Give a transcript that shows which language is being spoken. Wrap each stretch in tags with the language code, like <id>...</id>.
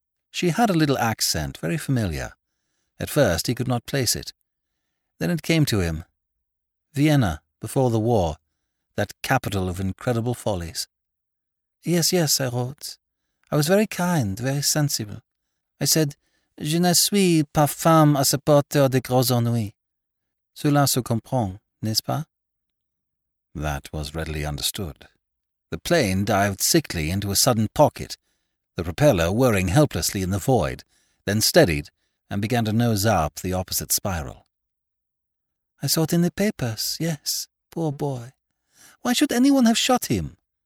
<en>She had a little accent, very familiar. At first he could not place it. Then it came to him. Vienna, before the war, that capital of incredible follies. "Yes, yes," I wrote. "I was very kind, very sensible. I said,</en> <fr>'Je ne suis pas femme à supporter de gros ennuis.' Cela se comprend, n'est-ce pas?"</fr> <en>That was readily understood. The plane dived sickly into a sudden pocket, the propeller whirring helplessly in the void, then steadied and began to nose up the opposite spiral. "I saw it in the papers, yes, poor boy. Why should anyone have shot him?</en>